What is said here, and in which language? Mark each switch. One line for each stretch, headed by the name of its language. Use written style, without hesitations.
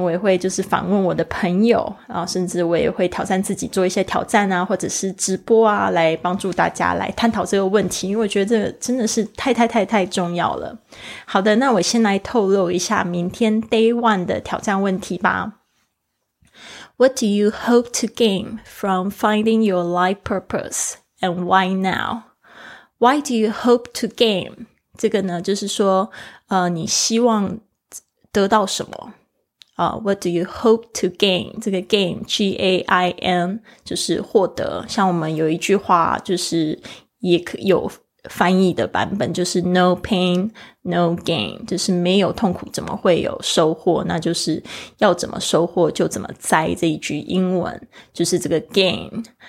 Chinese: 我也会就是访问我的朋友，然后甚至我也会挑战自己做一些挑战啊，或者是直播啊，来帮助大家来探讨这个问题，因为我觉得这个真的是太重要了。好的，那我先来透露一下明天 Day One 的挑战问题吧。
English: What do you hope to gain from finding your life purpose and why now? Why do you hope to gain?
Chinese: 这个呢就是说你希望得到什么。
English: What do you hope to gain? 这个 gain, G-A-I-N,
Chinese: 就是获得。像我们有一句话就是也有翻译的版本，就是
English: no pain, no gain,
Chinese: 就是没有痛苦怎么会有收获，那就是要怎么收获就怎么栽，这一句英文就是这个 gain。